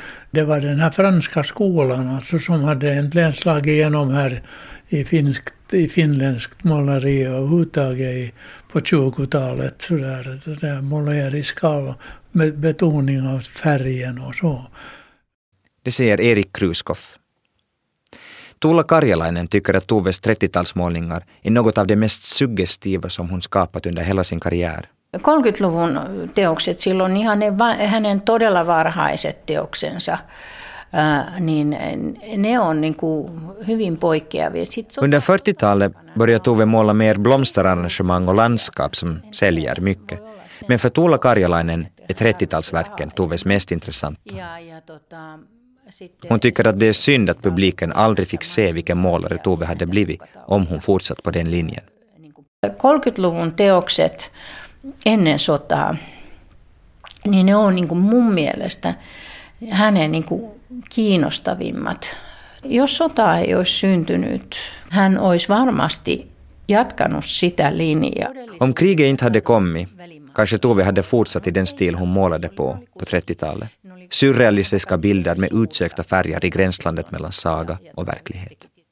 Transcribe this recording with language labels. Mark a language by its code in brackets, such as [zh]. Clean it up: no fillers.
[sv] Det var den här franska skolan alltså, som hade äntligen slagit igenom här i finländskt måleri och uttaget på 20-talet. Det måleriska med betoning av färgen och så. Det säger Erik Kruskoff. Tuula Karjalainen tycker att Toves 30-talsmålningar är något av det mest suggestiva som hon skapat under hela sin karriär. [fi] 30-luvun teokset silloin ihan ne, hänen todella varhaiset teoksensa, niin ne on niin kuin hyvin poikkeavia. [sv] Under 40-talet börjar Tove måla mer blomsterarrangemang och landskap som säljer mycket. Men för Tuula Karjalainen är 30-talsverken Toves mest intressanta. Hon tycker att det är synd att publiken aldrig fick se vilken målare Tove hade blivit om hon fortsatt på den linjen. [fi] 30-luvun teokset ennen sotaa, niin ne on niin kuin mun mielestä hänen niin kuin kiinnostavimmat. Jos sota ei olisi syntynyt, hän olisi varmasti jatkanut sitä linjaa. [sv] Om kriget inte hade kommit, kanske Tove hade fortsatt i den stil hon målade på 30-talet. Surrealistiska bilder med utsökta färger i gränslandet mellan saga och verklighet.